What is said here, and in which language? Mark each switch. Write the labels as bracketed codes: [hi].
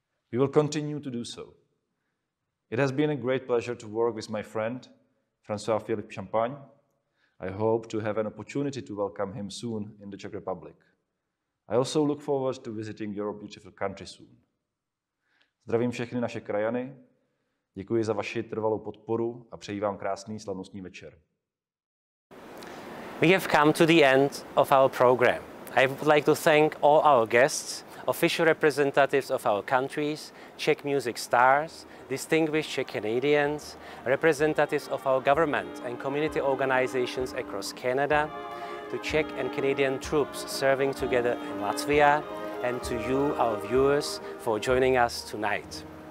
[en] We will continue to do so. It has been a great pleasure to work with my friend, François-Philippe Champagne. I hope to have an opportunity to welcome him soon in the Czech Republic. I also look forward to visiting your beautiful country soon. [cs] Zdravím všechny naše krajany, děkuji za vaši trvalou podporu a přeji vám krásný slavnostní večer. [en] We have come to the end of our program. I would like to thank all our guests, official representatives of our countries, Czech music stars, distinguished Czech-Canadians, representatives of our government and community organizations across Canada, to Czech and Canadian troops serving together in Latvia, and to you, our viewers, for joining us tonight.